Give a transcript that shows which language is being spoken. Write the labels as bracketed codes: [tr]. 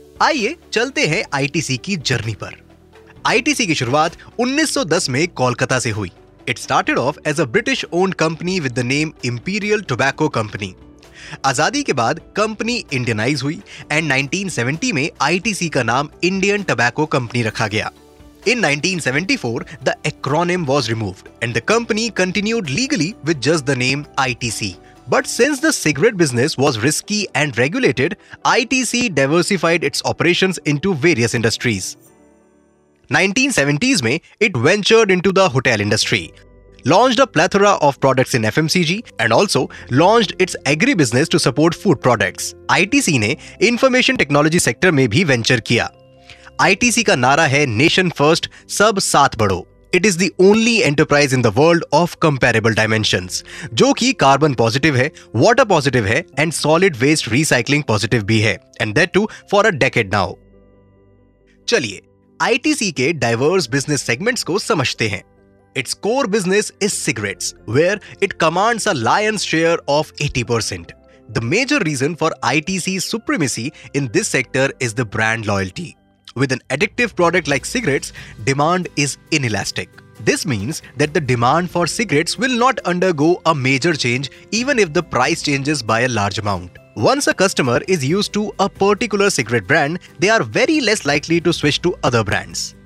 [hi] आइए चलते हैं ITC की जर्नी पर। ITC की शुरुआत 1910 में कोलकाता से हुई। [en] It started off as a British owned company with the name imperial tobacco company. [hi] आजादी के बाद कंपनी इंडियनाइज हुई एंड 1970 में ITC का नाम इंडियन टोबैको कंपनी रखा गया। [en] In 1974, the acronym was removed and the company continued legally with just the name ITC. But since the cigarette business was risky and regulated, ITC diversified its operations into various industries. 1970s mein, it ventured into the hotel industry, launched a plethora of products in FMCG and also launched its agri business to support food products. [hi] ITC ne information technology sector mein bhi venture kiya. ITC का नारा है nation first सब साथ बढ़ो। [en] it is the only enterprise in the world of comparable dimensions, [hi] जो कि [en] Carbon positive है, water positive है and solid waste recycling positive भी है, and that too for a decade now. [hi] चलिए ITC के डाइवर्स बिजनेस सेगमेंट्स को समझते हैं। [en] Its core business is cigarettes, where it commands a lion's share of 80%। The major reason for ITC's supremacy in this sector is the brand loyalty. With an addictive product like cigarettes, demand is inelastic. This means that the demand for cigarettes will not undergo a major change even if the price changes by a large amount. Once a customer is used to a particular cigarette brand, they are very less likely to switch to other brands.